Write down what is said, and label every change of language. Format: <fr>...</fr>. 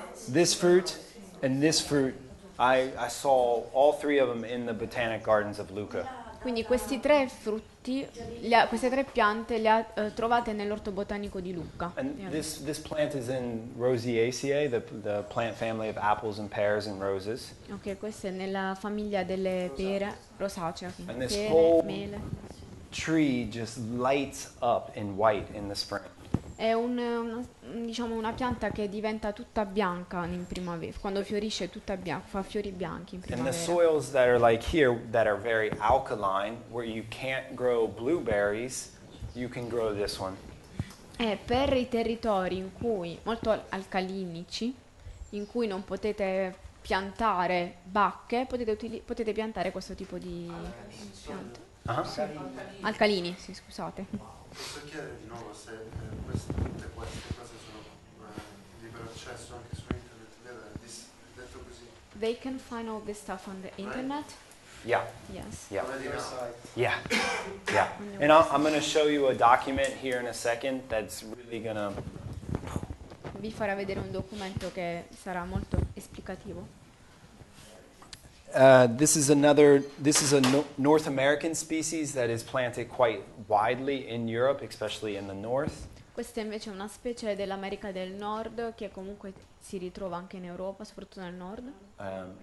<en>This fruit, I saw all three of them in the botanic gardens of Lucca.</en> <it>Quindi questi tre frutti, queste tre piante le ha trovate nell'orto botanico di Lucca.</it> <en>And this plant is in Rosaceae, the plant family of apples and pears and roses.</en> <it>Ok, questa è nella famiglia delle pere, rosacee.</it> <en>And this whole tree just lights up in white in the spring.</en> <it>È una pianta che diventa tutta bianca in primavera, quando fiorisce tutta bianca, fa fiori bianchi in primavera.</it> <en>And the soils that are like here that are very alkaline, where you can't grow blueberries, you can grow this one.</en> <it>E per i territori in cui molto alcalinici, in cui non potete piantare bacche, potete piantare questo tipo di pianta. Uh-huh. Alcalini, sì, scusate. Posso chiedere di nuovo se tutte queste cose sono libero accesso anche su internet? Detto così.</it> <en>they can find all this stuff on the internet. Yeah. Yes. Yeah. Yeah. Yeah. And I'm going to show you a document here in a second that's really going to.</en> <it>Vi farà vedere un documento che sarà molto esplicativo.</it> <en>This is another. This is a North American species that is planted quite widely in Europe, especially in the north.</en> <it>Questa invece è una specie dell'America del Nord che comunque si ritrova anche in Europa, soprattutto nel Nord.</it>